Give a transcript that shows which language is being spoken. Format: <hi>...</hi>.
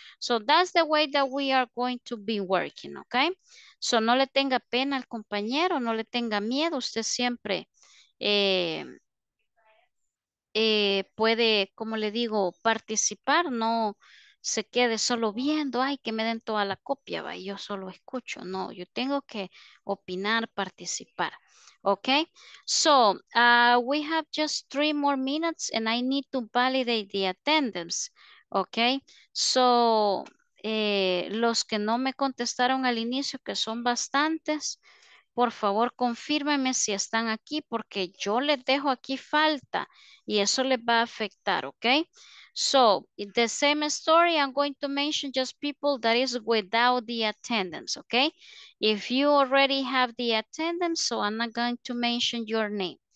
<en>So that's the way that we are going to be working, okay?</en> <es>So no le tenga pena al compañero, no le tenga miedo, usted siempre puede, como le digo, participar, no se quede solo viendo, ay, que me den toda la copia, va, yo solo escucho. No, yo tengo que opinar, participar.</es> <en>Okay, so we have just 3 more minutes and I need to validate the attendance.</en> <es>Okay, so los que no me contestaron al inicio, que son bastantes, por favor, confírmeme si están aquí porque yo les dejo aquí falta y eso les va a afectar, okay?</es> <en>So, the same story, I'm going to mention just people that is without the attendance, okay? If you already have the attendance, so I'm not going to mention your name.</en>